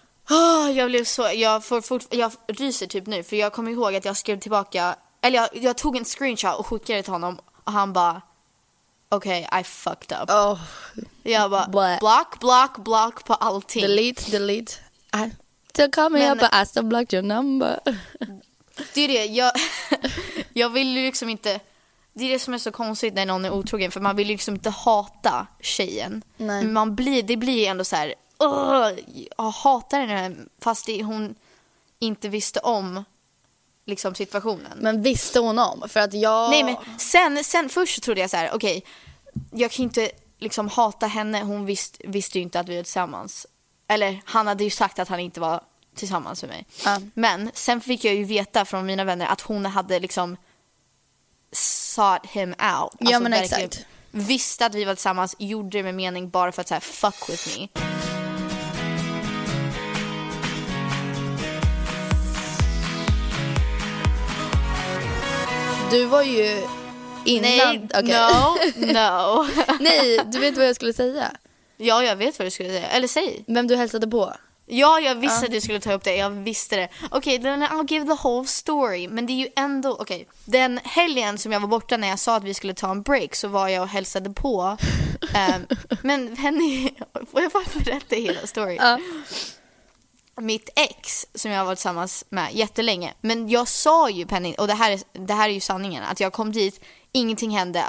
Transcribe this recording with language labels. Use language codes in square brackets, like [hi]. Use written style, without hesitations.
[sv] Oh, jag blev så, jag ryser typ nu, för jag kommer ihåg att jag skrev tillbaka, eller jag tog en screenshot och skickade det till honom, och han bara, okej, [en] okay, I fucked up. [sv] Oh. Jag bara, block på allting. Delete. [en] Still coming up, but I still blocked your number. [sv] Det är det, jag vill liksom inte, det är det som är så konstigt när någon är otrogen, för man vill liksom inte hata tjejen. Nej. Men det blir ändå så här. Jag hatar henne, fast hon inte visste om liksom situationen. Men visste hon om? För att jag... Nej, men sen först trodde jag så här, okej, okay, jag kan inte liksom hata henne. Hon visste ju inte att vi var tillsammans. Eller han hade ju sagt att han inte var tillsammans med mig. Men sen fick jag ju veta från mina vänner att hon hade liksom [en] sought him out. [sv] Alltså, ja, men exakt. Visste att vi var tillsammans, gjorde det med mening bara för att så här, [en] fuck with me. [sv] Du var ju innan... Nej, okay. No. Nej, du vet vad jag skulle säga. Ja, jag vet vad du skulle säga. Eller säg. Vem du hälsade på. Ja, jag visste att du skulle ta upp det. Jag visste det. [en] Okej, okay, then I'll give the whole story. [sv] Men det är ju ändå... Okej, okay. Den helgen som jag var borta när jag sa att vi skulle ta en break, så var jag och hälsade på. men Penny... Får jag bara berätta hela story? Mitt ex som jag har varit tillsammans med jättelänge. Men jag sa ju, Penny, och det här är ju sanningen, att jag kom dit, ingenting hände.